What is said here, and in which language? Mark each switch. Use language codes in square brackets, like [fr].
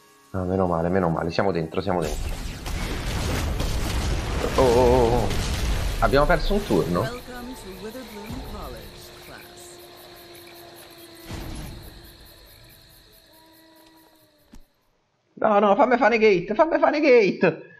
[it] Ah, meno male, siamo dentro, siamo dentro. Oh, abbiamo perso un turno. [en] Welcome to Witherbloom College, class. [it] No, no, fammi fare gate, fammi fare gate.